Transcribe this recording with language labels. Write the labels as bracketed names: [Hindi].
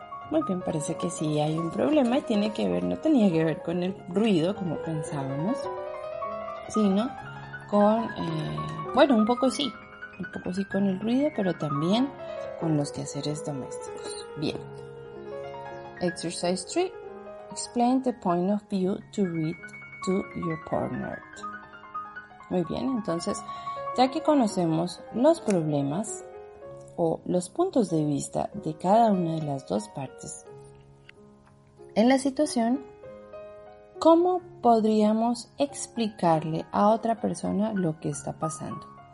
[Spanish] Muy bien, parece que sí hay un problema y tiene que ver, no tenía que ver con el ruido como pensábamos, sino con, bueno, un poco sí con el ruido, pero también con los quehaceres domésticos. [English] Bien. Exercise 3. Explain the point of view to read to your partner. [Spanish] Muy bien, entonces, ya que conocemos los problemas o los puntos de vista de cada una de las dos partes en la situación, ¿cómo podríamos explicarle a otra persona lo que está pasando?